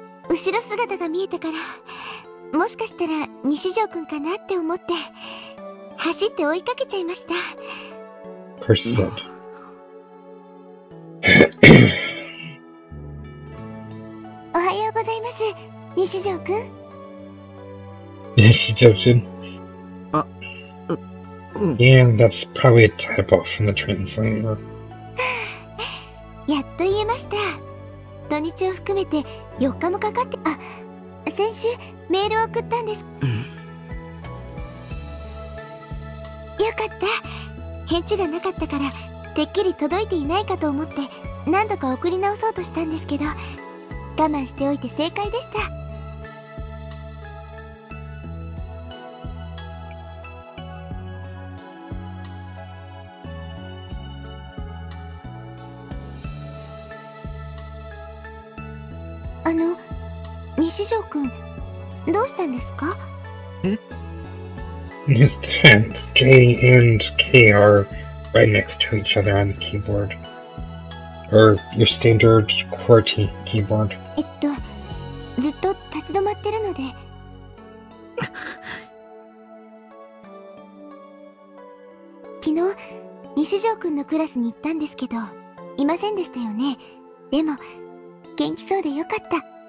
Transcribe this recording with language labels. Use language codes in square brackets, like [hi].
[ja] 後ろ姿が見えたから、もしかしたら西条くんかなって思って、走って追いかけちゃいました。 [en] Curse that. [ja] おはようございます、西条くん。西条くん。あ、 [en] Yeah, that's probably a typo from the translator. [ja] やっと言えました。土日を含めて4日もかかって、あ、先週メールを送ったんです。よかった。返事がなかったから、てっきり届いていないかと思って何度か送り直そうとしたんですけど、我慢しておいて正解でした。あの、西条くん、どうしたんですか？え？ [en] His hands, J and K are right next to each other on the keyboard. Or your standard QWERTY keyboard. [ja] ずっと立ち止まってるので。昨日、西条くんのクラスに行ったんですけど、いませんでしたよね。でも、元気そうでよかった。